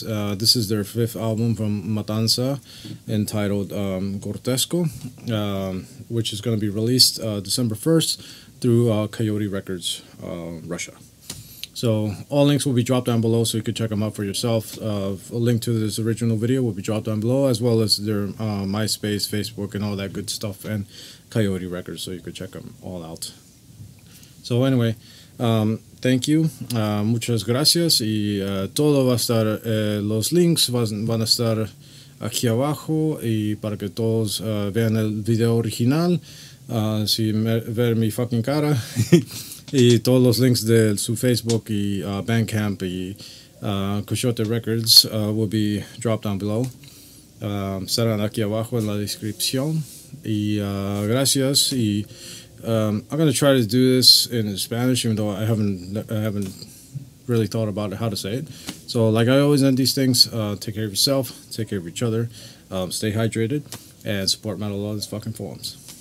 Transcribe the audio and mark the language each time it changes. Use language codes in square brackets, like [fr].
[en] This is their fifth album from Matanza, entitled Gortesco, which is going to be released December 1st through Coyote Records, Russia. So all links will be dropped down below, so you can check them out for yourself. A link to this original video will be dropped down below, as well as their MySpace, Facebook, and all that good stuff, and Coyote Records, so you can check them all out. So anyway, thank you. [es] Muchas gracias. Y todo va a estar, los links van a estar aquí abajo, y para que todos vean el video original, si ver mi fucking cara. Y todos los links de su Facebook y Bandcamp y Coyote Records [en] will be dropped down below. [es] Serán aquí abajo en la descripción. y gracias. [en] Y I'm gonna try to do this in Spanish, even though I haven't really thought about how to say it. So like I always end these things, take care of yourself, take care of each other, stay hydrated, and support metal on these fucking forums.